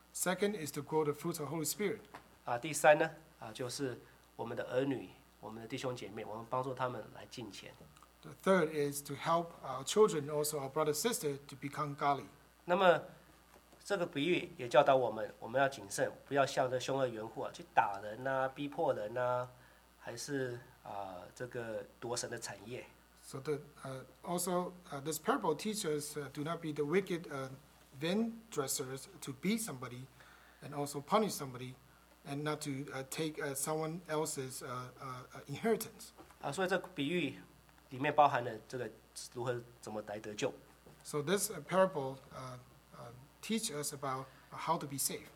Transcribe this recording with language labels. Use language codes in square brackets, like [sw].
[en] Second is to grow the fruits of the Holy Spirit. [zh] 啊，第三呢，啊，就是我们的儿女，我们的弟兄姐妹，我们帮助他们来敬虔。 [en] The third is to help our children, also our brother and sister, to become godly. [zh] 那么这个比喻也教导我们，我们要谨慎，不要像这凶恶缘户啊，去打人啊，逼迫人啊，还是啊，这个夺神的产业。 [en] So the also this parable teaches do not be the wicked vine dressers to beat somebody, and also punish somebody, and not to take someone else's inheritance. [zh] 啊，所以这比喻里面包含了这个如何怎么来得救。 [en] So this parable teach us about how to be saved.